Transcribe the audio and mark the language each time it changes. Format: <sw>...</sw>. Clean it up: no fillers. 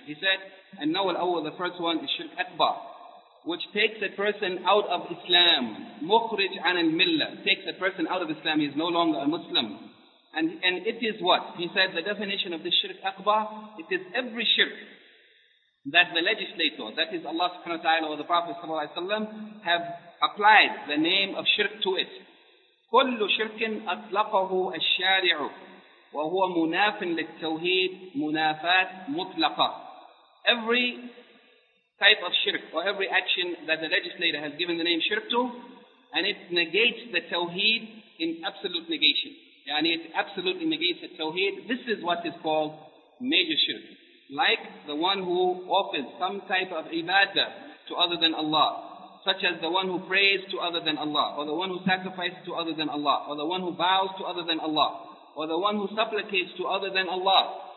<en>He said, and now al-awwal, the first one is shirk akbar, which takes a person out of Islam,</en> <ar>mukhrij an al-millah,</ar> <en>takes a person out of Islam, he is no longer a Muslim. And it is what? He said, the definition of this shirk akbar, it is every shirk that the legislator, that is Allah subhanahu wa ta'ala or the Prophet sallallahu alayhi wa sallam, have applied the name of shirk to it.</en> <ar>كل شرك أطلقه الشارع وهو مناف للتوحيد منافات مطلقة.</ar> <en>Every type of shirk or every action that the legislator has given the name shirk to, and it negates the tawheed in absolute negation. يعني it absolutely negates the tawheed. This is what is called major shirk. Like the one who offers some type of ibadah to other than Allah, such as the one who prays to other than Allah, or the one who sacrifices to other than Allah, or the one who bows to other than Allah, or the one who supplicates to other than Allah.</en>